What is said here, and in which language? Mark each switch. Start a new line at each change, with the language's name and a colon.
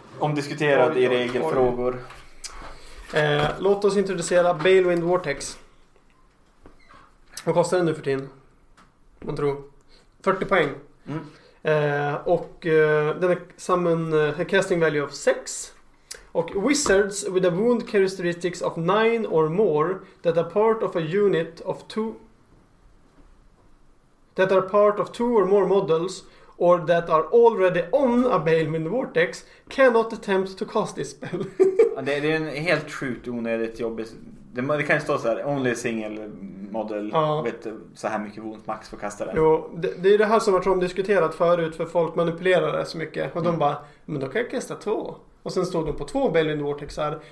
Swedish: Omdiskuterad i regelfrågor. Låt oss introducera Balewind Vortex. Vad kostar den nu för tiden? Man tror. 40 poäng. Mm. Och den är
English: summon casting value of 6. Och wizards with a wound characteristics of 9 or more that are part of a unit of 2 that are part of 2 or more models or that are already on a Balemind Vortex cannot attempt to cast this spell.
Swedish: Ja, det är en helt sjukt onödigt jobb. Det kan ju stå så här,
English: only single model,
Swedish: ja. Vet du, så här mycket wound max får kasta den. Jo, det är det här som har Trom diskuterat förut, för folk manipulerar det så mycket. Och de bara, men då kan jag kasta 2. Och sen stod de på 2 Balemind Vortexar.